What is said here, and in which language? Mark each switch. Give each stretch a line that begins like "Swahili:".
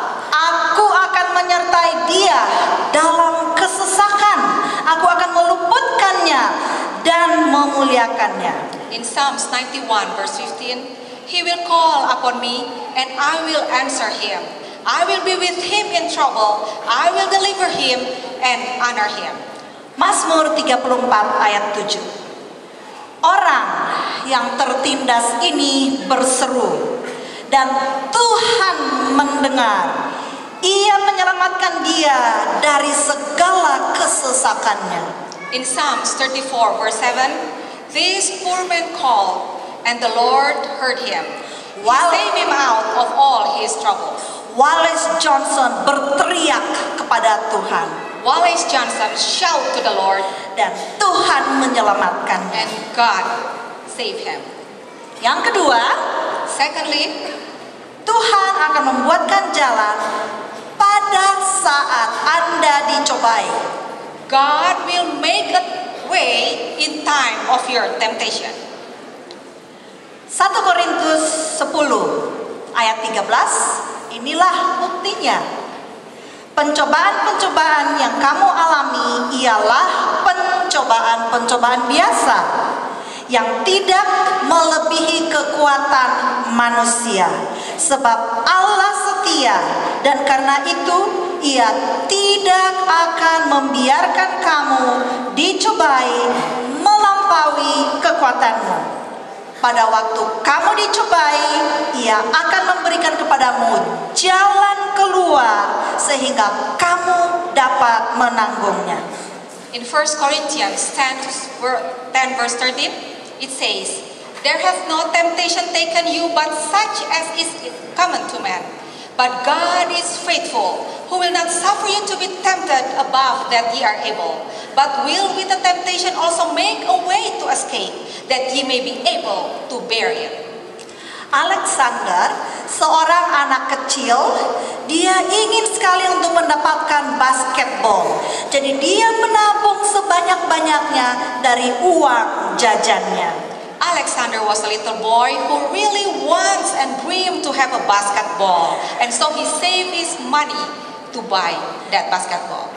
Indonesian: Aku akan menyertai dia dalam kesesakan. Aku akan meluputkannya dan memuliakannya.
English: In Psalms 91 verse 15, he will call upon me and I will answer him. I will be with him in trouble. I will deliver him and honor him.
Indonesian: Mazmur 34 ayat 7. Orang yang tertindas ini berseru dan Tuhan mendengar. Ia menyelamatkan dia dari segala kesesakannya.
English: In Psalms 34 verse 7, this poor man called and the Lord heard him. He saved him out of all his troubles.
Indonesian: Wallace Johnson berteriak kepada Tuhan.
English: Wallace Johnson shout to the Lord
Indonesian: dan Tuhan menyelamatkannya.
English: And God save him.
Indonesian: Yang kedua,
English: secondly,
Indonesian: Tuhan akan membuatkan jalan pada saat Anda dicobai.
English: God will make a way in time of your temptation.
Indonesian: 1 Korintus 10 ayat 13, inilah buktinya. Pencobaan-pencobaan yang kamu alami ialah pencobaan-pencobaan biasa yang tidak melebihi kekuatan manusia. Sebab Allah setia, dan karena itu Ia tidak akan membiarkan kamu dicobai melampaui kekuatanmu. Pada waktu kamu dicobai, Ia akan memberikan kepadamu jalan keluar sehingga kamu dapat menanggungnya.
English: In 1 Corinthians 10 verse 13, it says, there has no temptation taken you but such as is common to man. But God is faithful, who will not suffer you to be tempted above that ye are able, but will with the temptation also make a way to escape, that ye may be able to bear it.
Indonesian: Alexander, seorang anak kecil, dia ingin sekali untuk mendapatkan basketball. Jadi dia menabung sebanyak-banyaknya dari uang jajannya.
English: Alexander was a little boy who really wants and dream to have a basketball. And so he saved his money to buy that basketball.